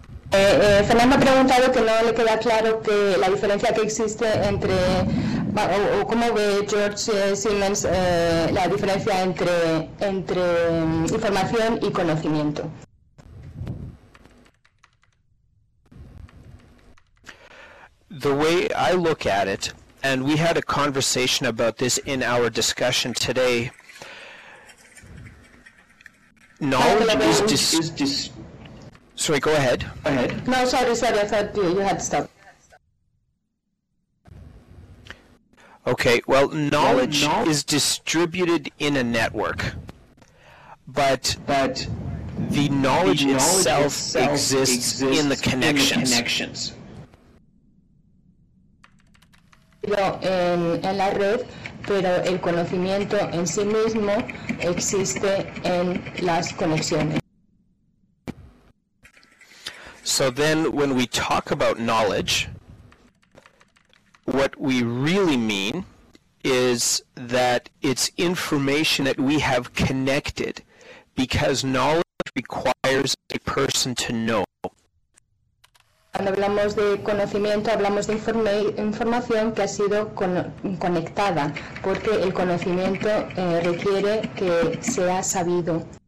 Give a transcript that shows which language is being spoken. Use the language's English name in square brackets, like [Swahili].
[Spanish] Fernando ha preguntado que no le queda claro que la diferencia que existe entre, o cómo ve George Simmons la diferencia entre información y conocimiento. [English] The way I look at it, and we had a conversation about this in our discussion today, knowledge is sorry, go ahead. No, sorry, I thought you had to stop. Okay, well, knowledge is distributed in a network, but the knowledge itself exists in the connections. [Spanish] En la red, pero el conocimiento en sí mismo existe en las conexiones. [English] So then when we talk about knowledge, what we really mean is that it's information that we have connected, because knowledge requires a person to know. [Spanish] Cuando hablamos de conocimiento, hablamos de información que ha sido conectada, porque el conocimiento requiere que sea sabido.